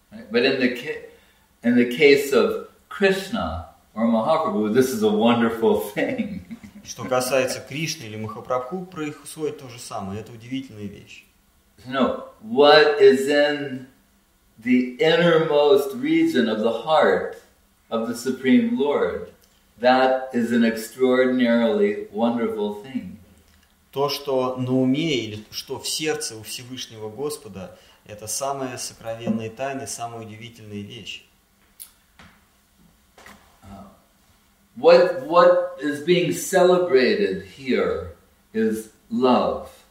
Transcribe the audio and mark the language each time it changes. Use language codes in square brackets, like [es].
[en] But in the case of Krishna or Mahaprabhu, this is a wonderful thing. [ru] Что касается Кришны или Махапрабху, происходит то же самое. Это удивительная вещь. [en] No, what is in the innermost region of the heart of the Supreme Lord? That is an extraordinarily wonderful thing. [ru] То, что на уме или что в сердце у Всевышнего Господа, это самая сокровенная тайна, самая удивительная вещь. [en] What is being celebrated here is love.